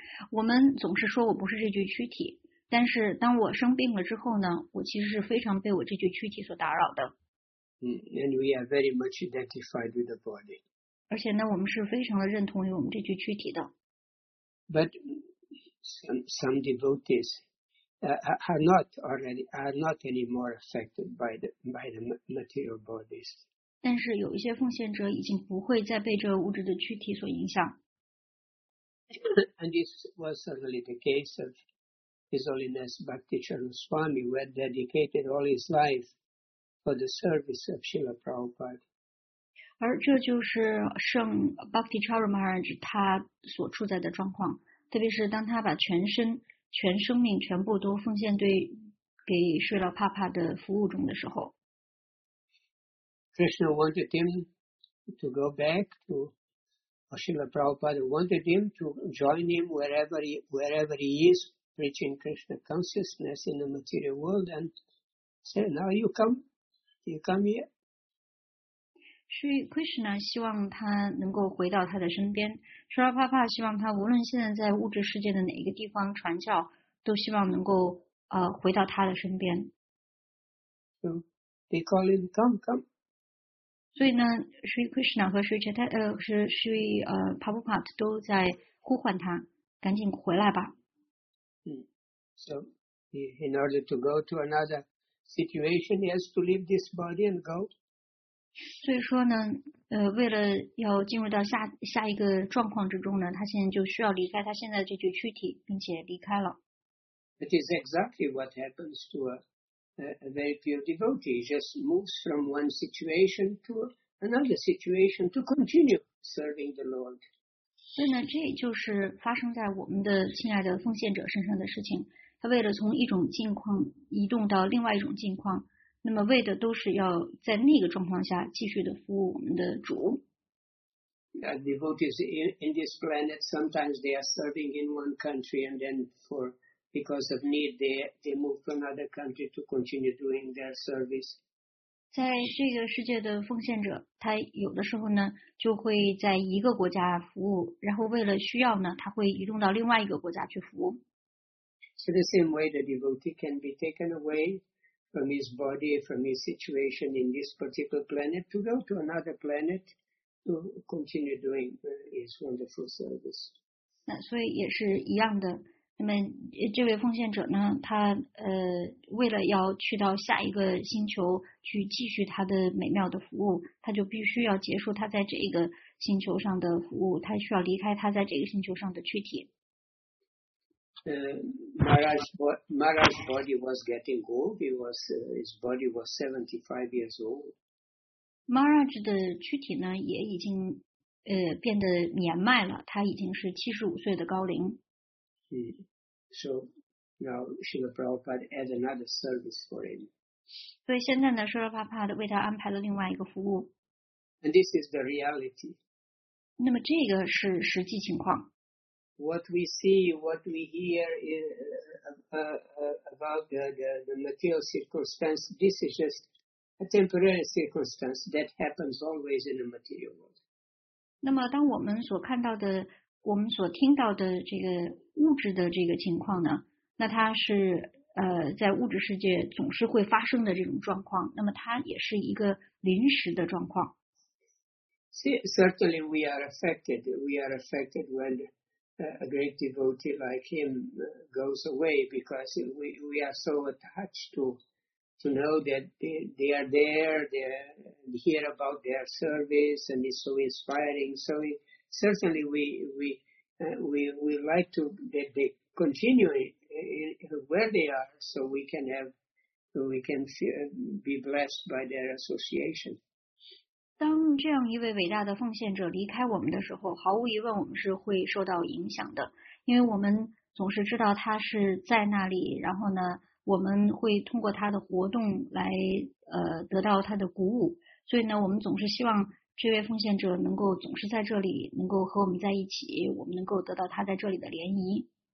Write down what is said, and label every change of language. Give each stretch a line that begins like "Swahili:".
Chinese: 我们总是说我不是这具躯体，但是当我生病了之后呢，我其实是非常被我这具躯体所打扰的。
English: And we are very much identified with the body.
Chinese: 而且呢，我们是非常的认同于我们这具躯体的。
English: But some devotees. Are not anymore affected by the material bodies.
Chinese: 但是有一些奉献者已经不会再被这物质的躯体所影响。
English: And this was certainly the case of His Holiness Bhaktisarana Swami, who had dedicated all his life for the service of Srila Prabhupada.
Chinese: 而这就是圣 Bhaktisarana Maharaj 他所处在的状况，特别是当他把全身全生命全部都奉献对给睡了帕帕的服务中的时候。
English: Krishna wanted him to go back to Srila Prabhupada, wanted him to join him wherever he is preaching Krishna consciousness in the material world and said, now you come here.
Chinese: 是 Krishna 希望他能够回到他的身边，舍拉帕帕希望他无论现在在物质世界的哪一个地方传教，都希望能够回到他的身边。
English: So they call him, come.
Chinese: 所以呢，是 Krishna 和是帕布帕特都在呼唤他，赶紧回来吧。
English: So in order to go to another situation, he has to leave this body and go.
Chinese: 所以说呢，为了要进入到下一个状况之中呢，他现在就需要离开他现在这具躯体，并且离开了。
English: It is exactly what happens to a very pure devotee. He just moves from one situation to another situation to continue serving the Lord.
Chinese: 所以呢，这就是发生在我们的亲爱的奉献者身上的事情。他为了从一种境况移动到另外一种境况。那么为的都是要在那个状况下继续的服务我们的主。
English: Devotees in this planet, sometimes they are serving in one country and then because of need, they move to another country to continue doing their service.
Chinese: 在这个世界的奉献者，他有的时候呢，就会在一个国家服务，然后为了需要呢，他会移动到另外一个国家去服务。
English: So the same way the devotee can be taken away. From his body, from his situation in this particular planet, to go to another planet to continue doing his wonderful service.
Chinese: 那所以也是一样的。那么这位奉献者呢，他为了要去到下一个星球去继续他的美妙的服务，他就必须要结束他在这一个星球上的服务，他需要离开他在这个星球上的躯体。
English: Maharaj's body was getting old. His body was 75 years old.
Chinese: Maharaj 的躯体呢也已经变得年迈了，他已经是75岁的高龄。
English: So now Srila Prabhupada had another service for him.
Chinese: 所以现在呢，舍拉帕帕的为他安排了另外一个服务。
English: And this is the reality.
Chinese: 那么这个是实际情况。
English: What we see, what we hear about the material circumstance, this is just a temporary circumstance that happens always in the material world.
Chinese: 那么当我们所看到的，我们所听到的这个物质的这个情况呢，那它是在物质世界总是会发生的这种状况，那么它也是一个临时的状况。
English: Certainly we are affected. We are affected when a great devotee like him goes away because we are so attached to know that they are there, they hear about their service and it's so inspiring. So certainly we we like to that they continue where they are, so we can have, we can be blessed by their association.
Chinese: 当这样一位伟大的奉献者离开我们的时候，毫无疑问我们是会受到影响的，因为我们总是知道他是在那里，然后呢，我们会通过他的活动来得到他的鼓舞，所以呢，我们总是希望这位奉献者能够总是在这里，能够和我们在一起，我们能够得到他在这里的涟漪。